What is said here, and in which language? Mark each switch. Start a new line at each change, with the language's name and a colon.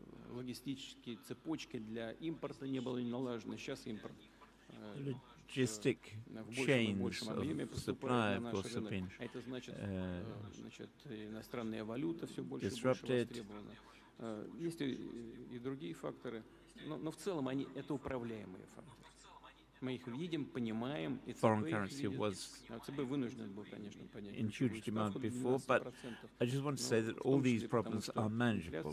Russian: Логистические цепочки для импорта не было налажены. Сейчас импорт
English: logistic chains of supply, of course, have been
Russian: иностранная валюта все больше востребована. Есть и другие факторы, но в целом они это управляемые факторы. Мы их видим, понимаем, и
English: foreign currency was in huge demand before, but I just want to say that all these problems are manageable.